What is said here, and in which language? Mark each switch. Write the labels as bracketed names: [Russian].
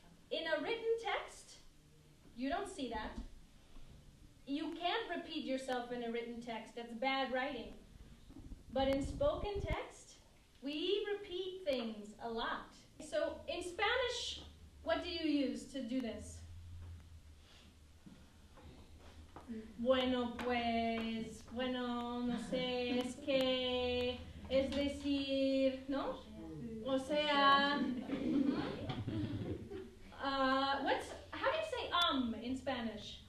[English] In a written text, you don't see that. You can't repeat yourself in a written text, that's bad writing. But in spoken text, we repeat things a lot. So in Spanish, what do you use to do this? [Spanish] Bueno pues, bueno, no sé, es que, es decir, no? O sea, [English] how do you say in Spanish?